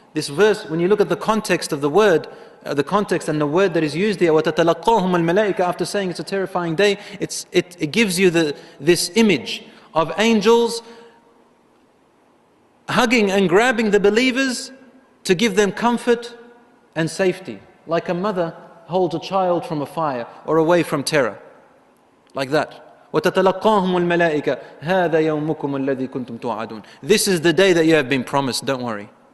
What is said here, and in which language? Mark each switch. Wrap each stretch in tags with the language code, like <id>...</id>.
<en>This verse, when you look at the context of the word, the context and the word that is used here,</en> <ar>وَتَتَلَقَّاهُمْ الْمَلَائِكَ,</ar> <en>after saying it's a terrifying day, it gives you this image of angels hugging and grabbing the believers to give them comfort and safety. Like a mother holds a child from a fire or away from terror. Like that.</en> <ar>وتتلقاهم الملائكة هذا يومكم الذي كنتم توعدون.</ar> <en>This is the day that you have been promised. Don't worry.</en>